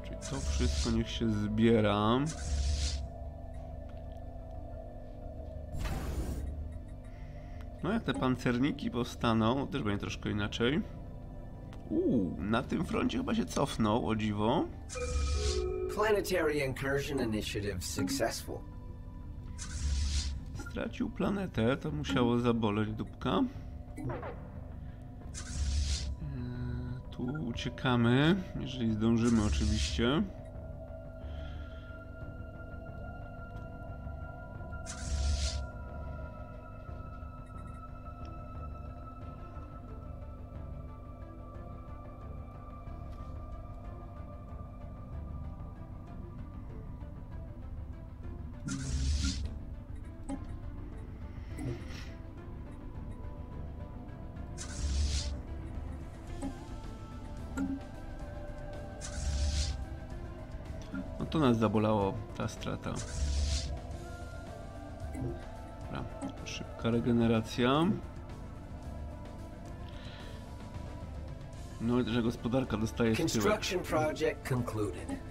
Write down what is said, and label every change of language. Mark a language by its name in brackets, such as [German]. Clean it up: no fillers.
[Polish] To wszystko niech się zbiera. No jak te pancerniki powstaną, też będzie troszkę inaczej. Uuu, na tym froncie chyba się cofnął, o dziwo. [English] Planetary incursion initiative successful. [Polish] Stracił planetę, to musiało zaboleć dupka. Tu uciekamy, jeżeli zdążymy oczywiście. To nas zabolało, ta strata. Dobra, szybka regeneracja. No i że gospodarka dostaje w tyłek. [English] Construction project concluded.